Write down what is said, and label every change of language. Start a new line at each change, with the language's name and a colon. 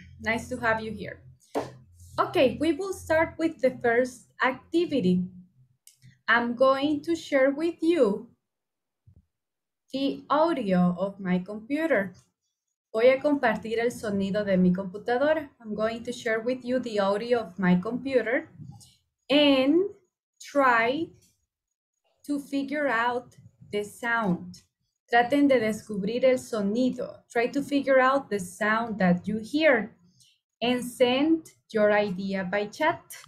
English: Nice to have you here. Okay, we will start with the first activity. I'm going to share with you the audio of my computer.
Spanish: Voy a compartir el sonido de mi computadora.
English: I'm going to share with you the audio of my computer and try to figure out the sound.
Spanish: Traten de descubrir el sonido.
English: Try to figure out the sound that you hear and send your idea by chat.